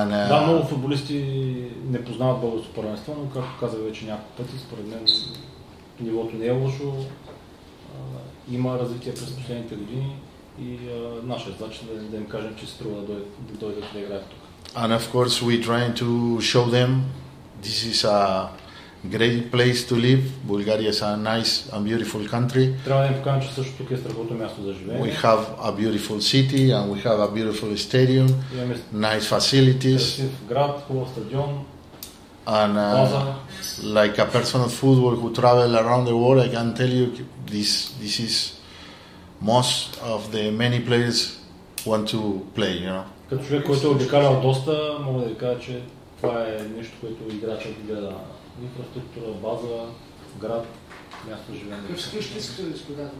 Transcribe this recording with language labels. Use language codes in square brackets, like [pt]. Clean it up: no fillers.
[bg] Да, много футболисти не познават българското първенство, но както казах вече няколко пъти, според мен нивото не е лошо. Има развитие през последните години и наша задача е да им кажем, че се струва да дойдат да играят тук. [en] And of course we trying to show them this is a great place to live. Bulgaria is a nice and beautiful country. [bg] Трябва да ви покажа, че също тук е страхотно място за живеене. [en] We have a beautiful city and we have a beautiful stadium. Nice facilities. [bg] Красив град, хубав стадион. [en] And like a person of football who travel around the world, I can tell you this is most of the many players want to play, you know. [bg] Като човек, който е обикалял доста, мога да ви кажа, че това е нещо, което играчът гледа. Инфраструктура, база, град, място живеене. Какво ще искате да изпитате